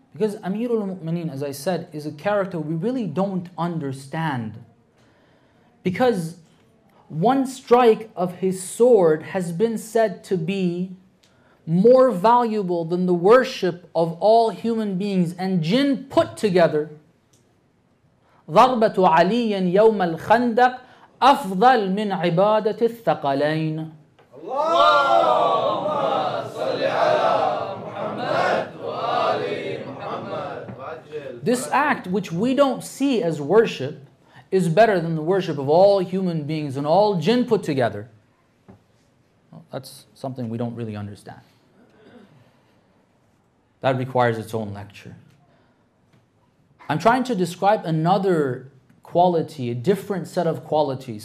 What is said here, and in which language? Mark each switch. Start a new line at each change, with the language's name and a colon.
English: Because Amir al-Mu'mineen, as I said, is a character we really don't understand. Because one strike of his sword has been said to be more valuable than the worship of all human beings and jinn put together.
Arabic: ضربة علي يوم الخندق أفضل من عبادة الثقلين. اللهم صل على محمد وآل محمد.
English: This act, which we don't see as worship, is better than the worship of all human beings and all jinn put together. Well, that's something we don't really understand. That requires its own lecture. I'm trying to describe another quality, a different set of qualities.